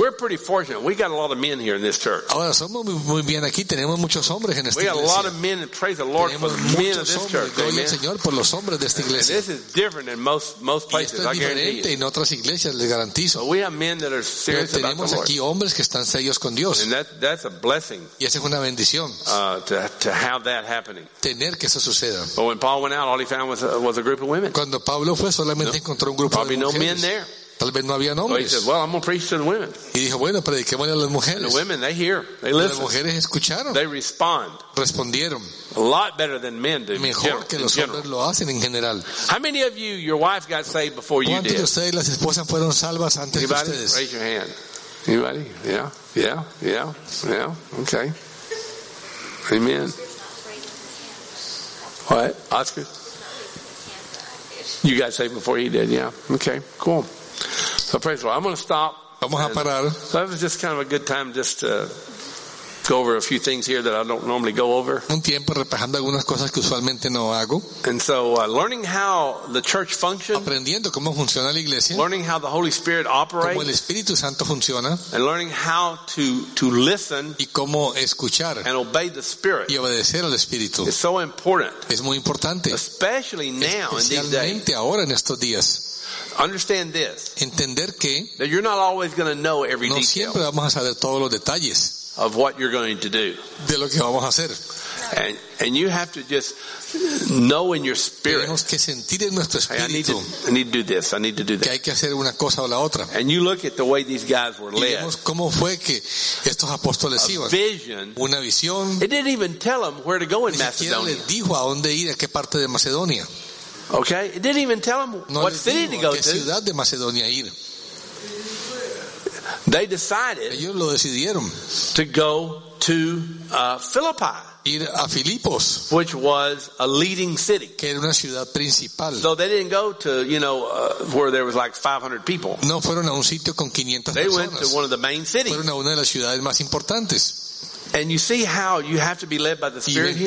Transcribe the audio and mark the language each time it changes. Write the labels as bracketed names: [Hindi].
[English] We're pretty fortunate. We got a lot of men here in this church. [Spanish] Ahora somos muy bien aquí. Tenemos muchos hombres en esta iglesia. [English] We got a lot of men, and praise the Lord [Spanish] tenemos [English] for the men of this church. [Spanish] Gloria al Señor por los hombres de esta iglesia. [English] And this is different than most places. [Spanish] Esto es diferente en otras iglesias, les garantizo. [English] But we have men that are serious about the Lord. [Spanish] Tenemos aquí hombres que están serios con Dios. [English] And that's a blessing. [Spanish] Y esa es una bendición. [English] To have that happening. [Spanish] Tener que eso suceda. [English] But when Paul went out, all he found was a group of women. [Spanish] Cuando Pablo fue, solamente encontró un grupo [English] probably [Spanish] de mujeres. [English] No men there. [Spanish] Tal vez no había hombres. [English] So he said, well, I'm gonna preach to the women. [Spanish] Y dijo, bueno, prediquemos a las mujeres. [English] And the women, they hear, they listen. [Spanish] Las mujeres escucharon. [English] They respond. [Spanish] Respondieron. [English] A lot better than men do. [Spanish] Mejor que los hombres lo hacen en general. [English] How many of you, your wife got saved before you did? [Spanish] ¿Cuántos de ustedes las esposas fueron salvas antes de ustedes? [English] Anybody? Raise your hand. Anybody? Yeah. Okay. Amen. What? Oscar? You got saved before he did, yeah. Okay, cool. So praise the Lord. I'm going to stop. [Spanish] Vamos a parar. [English] So that was just kind of a good time just to go over a few things here that I don't normally go over. [Spanish] Un tiempo repasando algunas cosas que usualmente no hago. [English] And so learning how the church functions. [Spanish] Aprendiendo cómo funciona la iglesia. [English] Learning how the Holy Spirit operates. [Spanish] Cómo el Espíritu Santo funciona. [English] And learning how to listen. [Spanish] Y cómo escuchar. [English] And obey the Spirit. [Spanish] Y obedecer al Espíritu. [English] It's so important. [Spanish] Es muy importante. [English] Especially now in these days. [Spanish] Especialmente ahora en estos días. [English] Understand this. [Spanish] Entender que [English] that you're not always going to know every detail. [Spanish] No siempre vamos a saber todos los detalles. [English] Of what you're going to do. [Spanish] De lo que vamos a hacer. [English] And you have to just know in your spirit. [Spanish] Tenemos que sentir en nuestro espíritu. [English] Hey, I need to do this. I need to do that. [Spanish] Que hay que hacer una cosa o la otra. [English] And you look at the way these guys were led. [Spanish] Y vemos cómo fue que estos apóstoles iban. [English] A vision. [Spanish] Una visión. [English] It didn't even tell them where to go in Macedonia. [Spanish] Ni siquiera les dijo a dónde ir, a qué parte de Macedonia. [English] Okay? It didn't even tell them what city to go to. [Spanish] No les dijo a qué ciudad de Macedonia ir. [English] They decided [Spanish] ellos lo decidieron [English] to go to Philippi, [Spanish] ir a Filipos, [English] which was a leading city, [Spanish] que era una ciudad principal. [English] So they didn't go to, you know, where there was like 500 people. [Spanish] No fueron a un sitio con 500 [English] they [Spanish] personas. [English] They went to one of the main cities. [Spanish] Fueron a una de las ciudades más importantes. [English] And you see how you have to be led by the Spirit here.